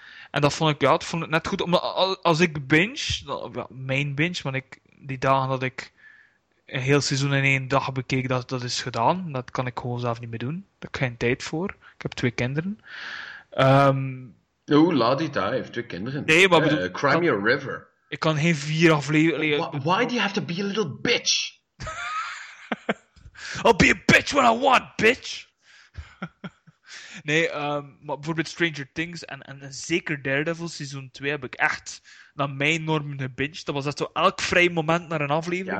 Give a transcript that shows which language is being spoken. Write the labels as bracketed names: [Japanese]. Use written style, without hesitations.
[Dutch] En dat vond ik, ja, dat vond ik net goed. Omdat als ik binge, mijn binge, want die dagen dat ik een heel seizoen in 1 dag bekeek, dat is gedaan. Dat kan ik gewoon zelf niet meer doen. Daar heb ik geen tijd voor. Ik heb 2 kinderen. Ladita heeft 2 kinderen. Nee, maar bedoel... [English] Cry Me a River. [Dutch] Ik kan geen 4 afleveringen... [English] Why do you have to be a little bitch? I'll be a bitch when I want, bitch! [Dutch] Nee, maar bijvoorbeeld Stranger Things en zeker Daredevil seizoen 2 heb ik echt naar mijn normen gebinged. Dat was echt zo elk vrij moment naar een aflevering.